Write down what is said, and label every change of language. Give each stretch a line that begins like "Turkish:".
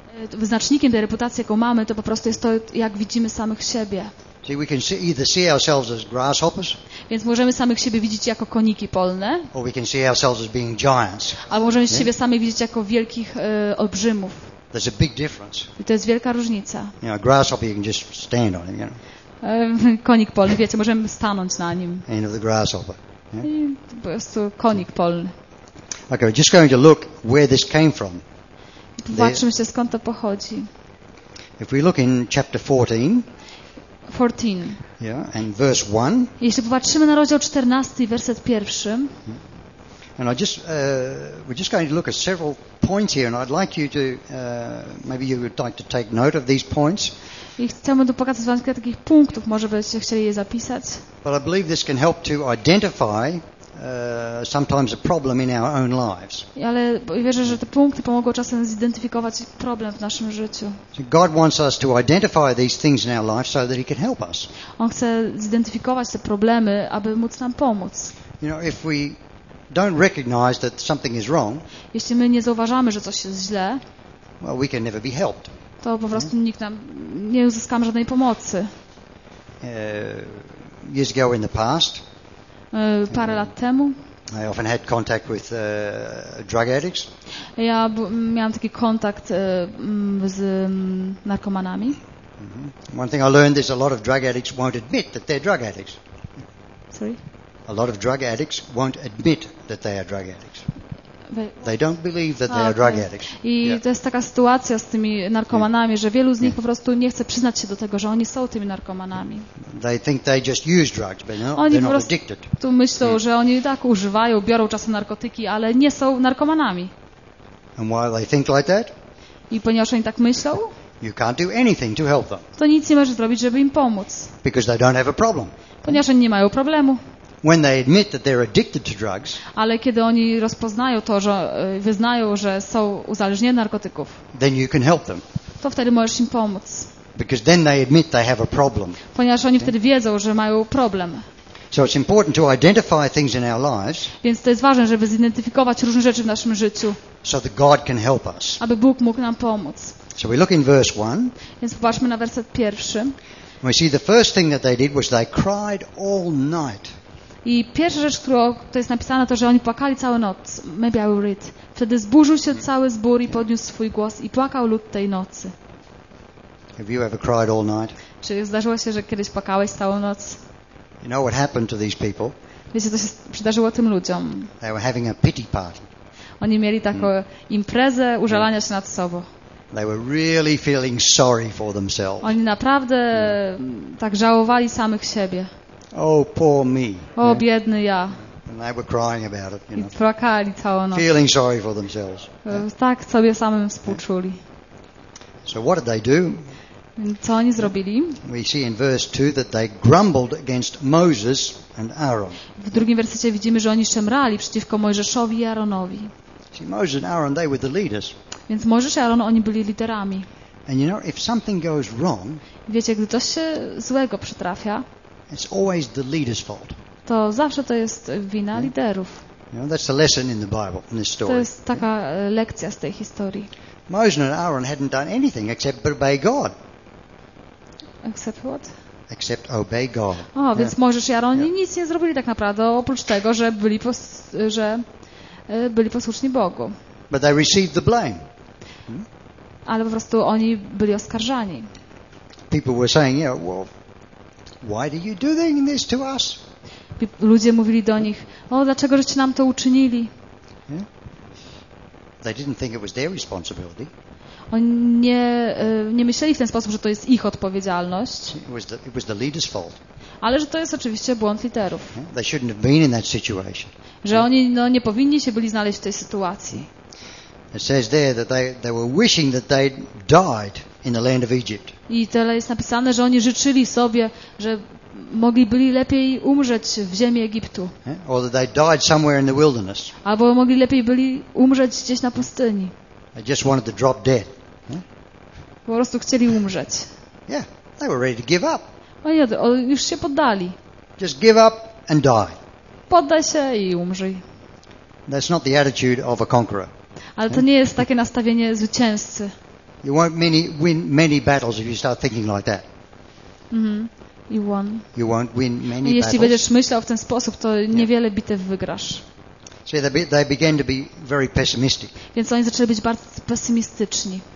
Polish: Wyznacznikiem tej reputacji, jaką mamy, to po prostu jest to, jak widzimy samych siebie.
English: See, we can see, either see ourselves as grasshoppers,
Polish: więc możemy samych siebie widzieć jako koniki polne,
English: or we can see ourselves as being giants.
Polish: Albo możemy siebie samych widzieć jako wielkich olbrzymów.
English: There's a big difference.
Polish: I to jest wielka różnica.
English: You know, a grasshopper, you can just stand on him, you know.
Polish: Konik polny, wiecie, możemy stanąć na nim.
English: End of the grasshopper.
Polish: To po prostu konik polny.
English: Okay, we're just going to look where this came from.
Polish: Zobaczmy się, skąd to pochodzi.
English: If we look in chapter 14.
Polish: 14.
English: Yeah, and verse 1.
Polish: Jeśli popatrzymy na rozdział 14, werset 1.
English: And I just we're just going to look at several points here, and I'd like you to maybe you would like to take note of these points.
Polish: I chciałbym tu pokazać wam kilka takich punktów, może byście chcieli je zapisać.
English: But I believe this can help to identify sometimes a problem in our own lives.
Polish: Ale wierzę, że te punkty pomogą czasem zidentyfikować problem w naszym życiu.
English: So God wants us to identify these things in our life so that He can help us.
Polish: On chce zidentyfikować te problemy, aby móc nam pomóc.
English: You know, if we don't recognize that something is wrong.
Polish: Jeśli my nie zauważamy, że coś jest źle,
English: well, we can never be helped.
Polish: To po prostu nikt nam nie uzyskamy żadnej pomocy.
English: Years ago in the past.
Polish: Parę lat temu.
English: I often had contact with drug addicts.
Polish: Ja miałam taki kontakt z narkomanami.
English: One thing I learned is a lot of drug addicts won't admit that they're drug addicts. Sorry. A lot of drug addicts won't admit that they are drug addicts. They don't believe that they are drug addicts.
Polish: I to jest taka sytuacja z tymi narkomanami, że wielu z nich po prostu nie chce przyznać się do tego, że oni są tymi narkomanami.
English: They think they just use drugs, but no,
Polish: oni
English: they're not addicted.
Polish: Tu myślą, że oni tak używają, biorą czasem narkotyki, ale nie są narkomanami.
English: And why they think like that?
Polish: I ponieważ oni tak myślą?
English: You can't do anything to help them.
Polish: To nic nie możesz zrobić, żeby im pomóc.
English: Because they don't have a problem.
Polish: Ponieważ oni nie mają problemu.
English: When they admit that they're addicted to drugs,
Polish: ale kiedy oni rozpoznają to, że wyznają, że są uzależnieni od narkotyków,
English: then you can help them.
Polish: To wtedy możesz im pomóc.
English: Because then they admit they have a problem.
Polish: Ponieważ oni wtedy wiedzą, że mają problem.
English: So it's important to identify things in our lives,
Polish: więc to jest ważne, żeby zidentyfikować różne rzeczy w naszym życiu,
English: so that God can help us.
Polish: Aby Bóg mógł nam pomóc.
English: So we look in verse 1.
Polish: Więc popatrzmy na werset pierwszy.
English: We see the first thing that they did was they cried all night.
Polish: I pierwsza rzecz, którą to jest napisane, to, że oni płakali całą noc.
English: Maybe I will read. Wtedy zburzył się cały zbór i podniósł swój głos i płakał lud tej nocy.
Polish: Have you ever cried all night?
English: Czy zdarzyło się, że kiedyś płakałeś całą noc?
Polish: You know what happened to these people?
English: Wiecie, co się przydarzyło tym ludziom?
Polish: They were having a pity party.
English: Oni mieli taką imprezę użalania się nad sobą.
Polish: They were really feeling sorry for themselves.
English: Oni naprawdę tak żałowali samych siebie.
Polish: Oh, poor me.
English: O, biedny ja.
Polish: And they were crying about it, you know.
English: I płakali całą noc.
Polish: Feeling sorry for themselves.
English: Tak sobie samym współczuli.
Polish: So what did they do?
English: Co oni zrobili?
Polish: We see in verse 2 that they grumbled against Moses and Aaron.
English: W drugim wersecie widzimy, że oni szemrali przeciwko Mojżeszowi i Aaronowi.
Polish: See, Moses and Aaron, they were the leaders.
English: Więc Mojżesz i Aaron, oni byli liderami.
Polish: And you know, if something goes wrong,
English: wiecie, gdy coś się złego przytrafia,
Polish: it's always the leader's fault.
English: To zawsze to jest wina liderów.
Polish: You know, that's the lesson in the Bible, in this story.
English: To jest taka lekcja z tej historii.
Polish: Moses and Aaron hadn't done anything except obey God. Except what? Except obey God. O, więc Mojżesz i Aaron nic nie zrobili tak naprawdę, oprócz tego, że byli, że byli posłuszni Bogu.
English: But they received the blame.
Polish: Ale po prostu oni byli oskarżani.
English: People were saying, you know, well, why do you do this to us?
Polish: Ludzie mówili do nich: o, dlaczego żeście nam to uczynili?
English: They didn't think it was their responsibility.
Polish: Oni nie myśleli w ten sposób, że to jest ich odpowiedzialność.
English: It was the leader's fault.
Polish: Ale że to jest oczywiście błąd liderów.
English: They shouldn't have been in that situation.
Polish: Że oni nie powinni się byli znaleźć w tej sytuacji.
English: It says there that they were wishing that they'd died in the land of Egypt.
Polish: I tyle jest napisane, że oni życzyli sobie, że mogli byli lepiej umrzeć w ziemi Egiptu.
English: Or that they'd died somewhere in the wilderness.
Polish: Albo mogli lepiej byli umrzeć gdzieś na pustyni.
English: They just wanted to drop dead.
Polish: Po prostu chcieli umrzeć.
English: Yeah, they were ready to give up.
Polish: Oni już się poddali.
English: Just give up and die.
Polish: Poddaj się i umrzyj.
English: That's not the attitude of a conqueror.
Polish: Ale to nie jest takie nastawienie zwycięzcy.
English: You won't win many battles if you start thinking like that. You won't win many battles.
Polish: Jeśli będziesz myślał w ten sposób, to niewiele bitew wygrasz.
English: See, they began to be very pessimistic.
Polish: Więc oni zaczęli być bardzo pesymistyczni.